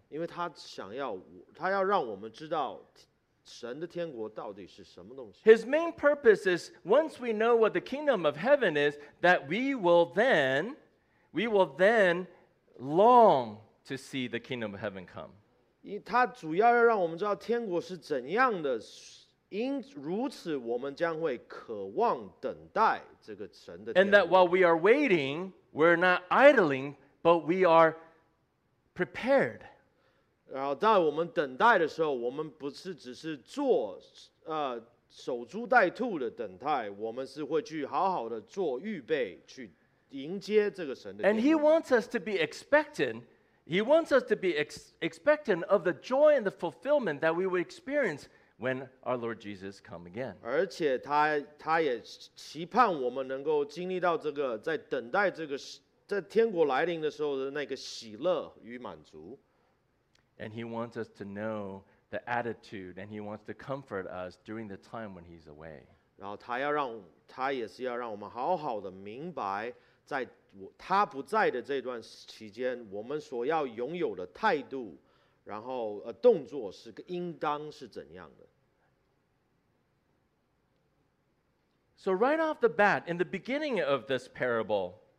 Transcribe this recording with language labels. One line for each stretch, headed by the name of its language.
Chinese: 因为他要让我们知道
English: His main purpose is once we know what the kingdom of heaven is, that we will then long to see the kingdom of heaven come.
Chinese: 他主要要让我们知道天国是怎样的，因如此我们将会渴望等待这个神的天国。
English: And that while we are waiting, we're not idling, but we are prepared.
Chinese: 然后在我们等待的时候，我们不是只是做守株待兔的等待，我们是会去好好的做预备，去迎接这个神的。
English: And he wants us to be expectant. He wants us to be expectant of the joy and the fulfillment that we would experience when our Lord Jesus come again.
Chinese: 而且他也期盼我们能够经历到这个，在等待这个在天国来临的时候的那个喜乐与满足。
English: And he wants us to know the attitude, and he wants to comfort us during the time when he's away.
Chinese: 然后他也是要让我们好好的明白，在他不在的这段期间，我们所要拥有的态度，然后动作是应当是怎样的。
English: So right off the bat, in the beginning of this parable,